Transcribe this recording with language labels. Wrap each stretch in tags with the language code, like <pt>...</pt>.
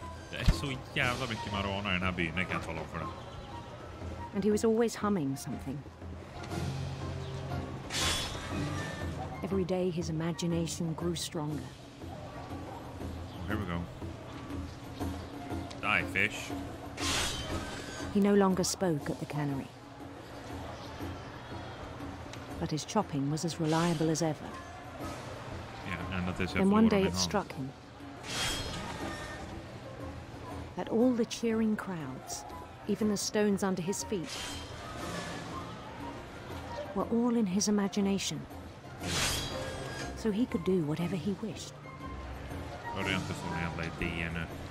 <sv>Det är så jävla mycket marijuana i den här byn, det kan jag tala om för det.</sv> <en>And he was always humming something. Every day his imagination grew stronger. Here we go. Die, fish. He no longer spoke at the cannery. But his chopping was as reliable as ever. Yeah, and that is then one day it struck him that all the cheering crowds, even the stones under his feet, were all in his imagination. So he could do whatever he wished.</en> <sv>Jag har inte fått en jävla idé ännu.</sv>